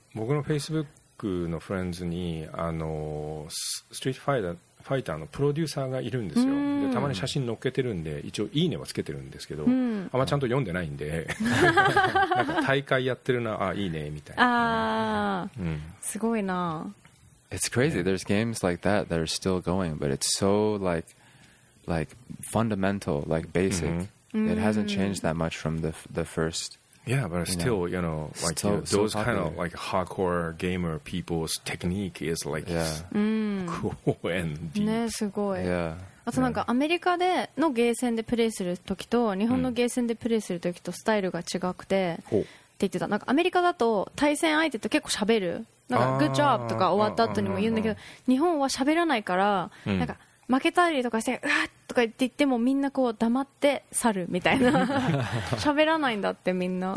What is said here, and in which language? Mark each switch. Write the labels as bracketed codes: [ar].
[ja] 僕のフェイスブックのフレンズに、ストリートファイターのプロデューサーがいるんですよ。で、たまに写真載っけてるんで、一応いいねはつけてるんですけど、あんまちゃんと読んでないんで、なんか大会やってるな、あ、いいね、みたいな。ああ、すごいな。 [en] It's crazy. There's games like that that are still going, but it's so like fundamental, like basic. It hasn't changed that much from the first Yeah, but still, you know, like still, you know, those kind of like hardcore gamer people's technique is like cool and deep. [ja] ね、すごい。 [en] Yeah. [ja] あとなんかアメリカでのゲーセンでプレイするときと日本のゲーセンでプレイするときとスタイルが違くて、って言ってた。なんかアメリカだと対戦相手と結構喋る。なんか [en] Good job [ja] とか終わった後にも言うんだけど、日本は喋らないから、なんか負けたりとかしてうわっとか言って言ってもみんなこう黙って去るみたいな喋らないんだってみんな